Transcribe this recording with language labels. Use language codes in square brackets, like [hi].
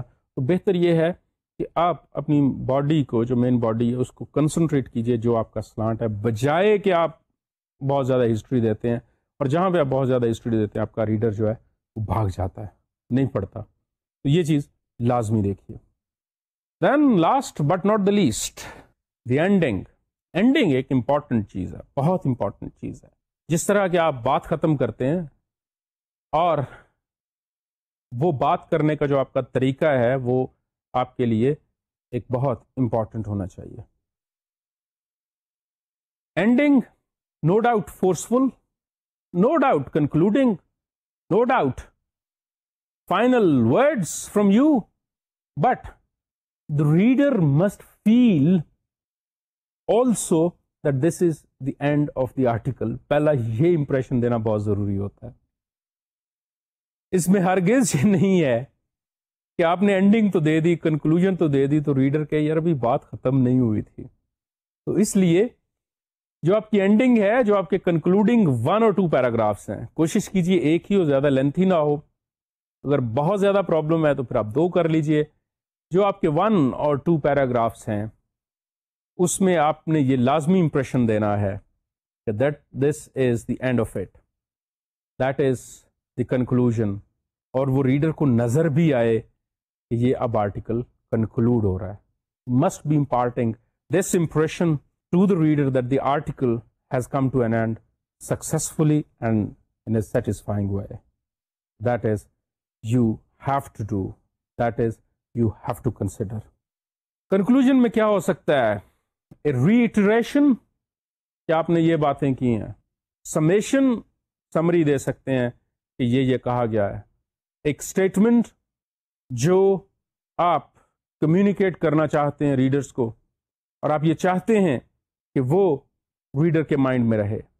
[ur] تو بہتر یہ ہے کہ آپ اپنی باڈی کو جو مین باڈی ہے اس کو کنسنٹریٹ کیجئے جو آپ کا سلانٹ ہے, بجائے کہ آپ بہت زیادہ ہسٹری دیتے ہیں. اور جہاں پہ آپ بہت زیادہ ہسٹری دیتے ہیں آپ کا ریڈر جو ہے وہ بھاگ جاتا ہے, نہیں پڑھتا. تو یہ چیز لازمی دیکھیے. [en] Then last but not the least, the ending. [ur] Ending ایک امپورٹنٹ چیز ہے, بہت امپورٹنٹ چیز ہے. جس طرح کہ آپ بات ختم کرتے ہیں اور وہ بات کرنے کا جو آپ کا طریقہ ہے وہ آپ کے لیے ایک بہت امپورٹنٹ ہونا چاہیے. [en] Ending no doubt forceful, no doubt concluding, no doubt final words from you, but the reader must feel also that this is the end of the article. [ur] پہلا یہ امپریشن دینا بہت ضروری ہوتا ہے. اس میں ہرگز یہ نہیں ہے کہ آپ نے اینڈنگ تو دے دی، کنکلوژن تو دے دی، تو ریڈر کہے یار ابھی بات ختم نہیں ہوئی تھی. تو اس لیے جو آپ کی اینڈنگ ہے، جو آپ کے کنکلوڈنگ ون اور ٹو پیراگرافس ہیں، کوشش کیجئے ایک ہی ہو، زیادہ لینتھی نہ ہو. اگر بہت زیادہ پرابلم ہے تو پھر آپ دو کر لیجئے. جو آپ کے ون اور ٹو پیراگرافس ہیں اس میں آپ نے یہ لازمی امپریشن دینا ہے کہ [en] that this is the end of it, that is the conclusion, [ur] اور وہ ریڈر کو نظر بھی آئے کہ یہ اب آرٹیکل کنکلوڈ ہو رہا ہے. [en] Must be imparting this impression to the reader that the article has come to an end successfully and in a satisfying way. That is you have to do, that is you have to consider. [ur] Conclusion میں کیا ہو سکتا ہے؟ Iteration کہ آپ نے یہ باتیں کی ہیں، سمیشن سمری دے سکتے ہیں کہ یہ کہا گیا ہے، ایک اسٹیٹمنٹ جو آپ کمیونیکیٹ کرنا چاہتے ہیں ریڈرس کو، اور آپ یہ چاہتے ہیں کہ وہ ریڈر کے مائنڈ میں رہے.